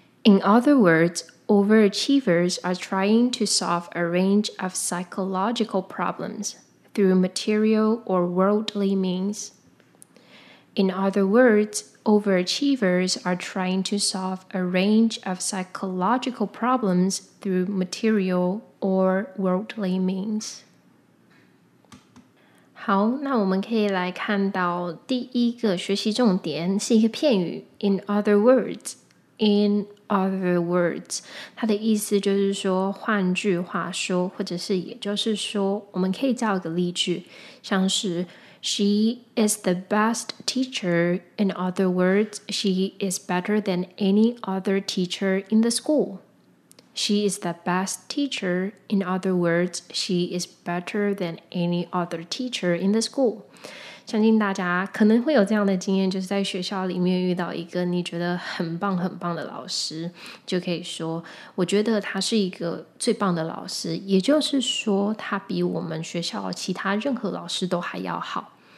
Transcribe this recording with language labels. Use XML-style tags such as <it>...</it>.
<en>In other words, overachievers are trying to solve a range of psychological problems through material or worldly means. In other words, overachievers are trying to solve a range of psychological problems through material or worldly means.</en> <zh>好，那我们可以来看到第一个学习重点是一个片语</zh> <en>In other words</en> <zh>它的意思就是说换句话说，或者是也就是说我们可以造一个例句，像是</zh> <en>She is the best teacher. In other words, she is better than any other teacher in the school. She is the best teacher. In other words, she is better than any other teacher in the school.</en> <zh>相信大家可能会有这样的经验，就是在学校里面遇到一个你觉得很棒很棒的老师，就可以说，我觉得他是一个最棒的老师，也就是说他比我们学校其他任何老师都还要好。</zh>